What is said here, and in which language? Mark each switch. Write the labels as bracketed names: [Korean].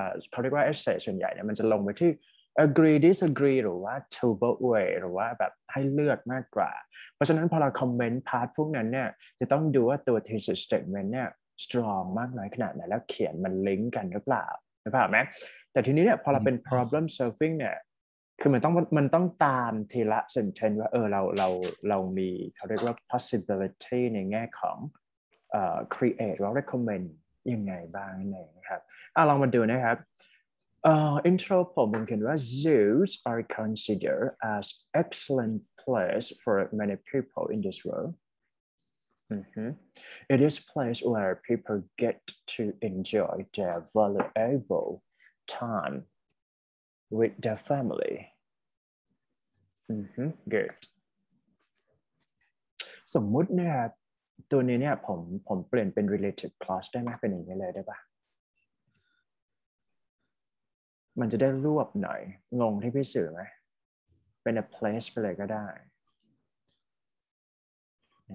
[Thai] เขาเรียกว่า essay ส่วนใหญ่เนี่ยมันจะลงไปที่ agree disagree หรือว่า two both way หรือว่าแบบให้เลือกมากกว่าเพราะฉะนั้นพอเรา comment part พวกนั้นเนี่ยจะต้องดูว่าตัว thesis statement เนี่ย strong มากน้อยขนาดไหนแล้วเขียนมันลิงก์กันหรือเปล่าใช่ป่ะแม้แต่ทีนี้เนี่ยพอเราเป็น problem solving เนี่ย คือมันต้องตามทีละ sentence ว่าเรามีเขาเรียกว่า possibility ในแง่ของcreate หรือ recommend ยังไงบ้างนะครับลองมาดูนะครับ [English] Intro [Thai] ผมคิดว่า [English] zoos are considered as excellent place for many people in this world. It is place where people get to enjoy their valuable time with their family. Good. [Thai] สมมุติเนี่ยตัวนี้เนี่ยผมเปลี่ยนเป็น relative clause ได้ไหมเป็นอย่างนี้เลยได้ปะมันจะได้รวบหน่อยงงที่พี่สื่อไหมเป็น [English] a place [Thai] ไปเลยก็ได้ไ